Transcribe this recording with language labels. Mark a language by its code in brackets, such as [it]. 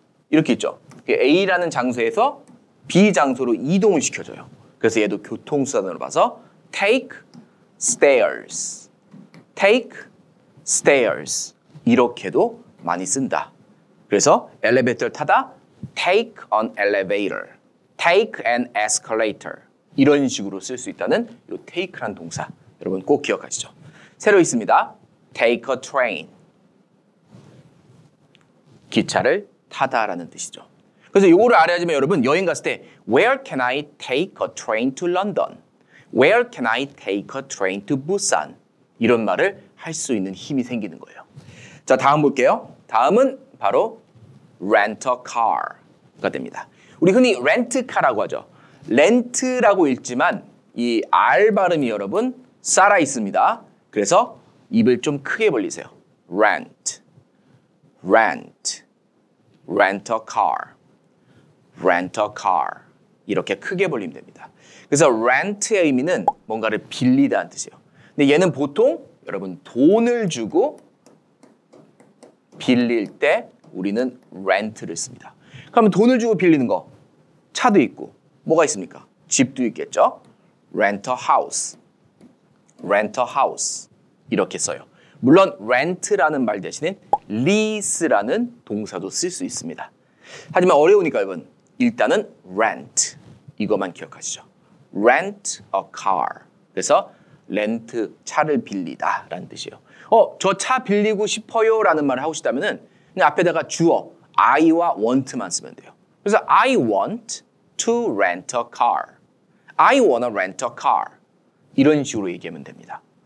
[ko] 이렇게 있죠 A라는 장소에서 B 장소로 이동을 시켜줘요 그래서 얘도 교통수단으로 봐서 [en] take stairs take stairs [ko] 이렇게도 많이 쓴다 그래서 엘리베이터를 타다 [en] take an elevator take an escalator [ko] 이런 식으로 쓸 수 있다는 이 take란 동사 여러분 꼭 기억하시죠 새로 있습니다 [en] Take a train. [ko] 기차를 타다라는 뜻이죠. 그래서 이거를 알아야 하지만 여러분 여행 갔을 때 [en] Where can I take a train to London? Where can I take a train to Busan? [ko] 이런 말을 할 수 있는 힘이 생기는 거예요. 자, 다음 볼게요. 다음은 바로 [en] rent a car [ko] 가 됩니다. 우리 흔히 rent car라고 하죠. rent라고 읽지만 이 R 발음이 여러분 살아 있습니다. 그래서 입을 좀 크게 벌리세요. rent, rent, [en] rent a car, rent a car [ko] 이렇게 크게 벌리면 됩니다. 그래서 rent의 의미는 뭔가를 빌리다는 뜻이에요. 근데 얘는 보통 여러분 돈을 주고 빌릴 때 우리는 rent를 씁니다. 그러면 돈을 주고 빌리는 거 차도 있고 뭐가 있습니까? 집도 있겠죠? [en] rent a house, rent a house [ko] 이렇게 써요. 물론 rent라는 말 대신에 lease라는 동사도 쓸 수 있습니다. 하지만 어려우니까 여러분 일단은 rent 이것만 기억하시죠. [en] rent a car [ko] 그래서 rent 차를 빌리다 라는 뜻이에요. 저 차 빌리고 싶어요 라는 말을 하고 싶다면 그냥 앞에다가 주어 I와 want만 쓰면 돼요. [en] 그래서 I want to rent a car. I wanna rent a car [ko] 이런 식으로 얘기하면 됩니다.